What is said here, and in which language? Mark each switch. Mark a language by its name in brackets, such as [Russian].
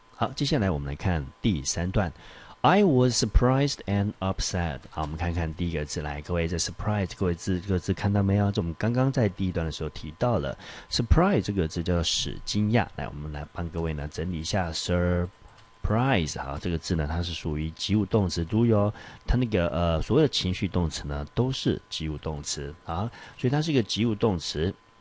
[Chinese] 好，接下来我们来看第三段。 [English] I was surprised and upset. [Chinese] 好，我们看看第一个字来，各位，这 surprise 各位字，这个字看到没有？这我们刚刚在第一段的时候提到了 surprise 这个字叫使惊讶。来，我们来帮各位呢整理一下 surprise。好，这个字呢它是属于及物动词，注意哦，它那个所有的情绪动词呢都是及物动词啊，所以它是一个及物动词。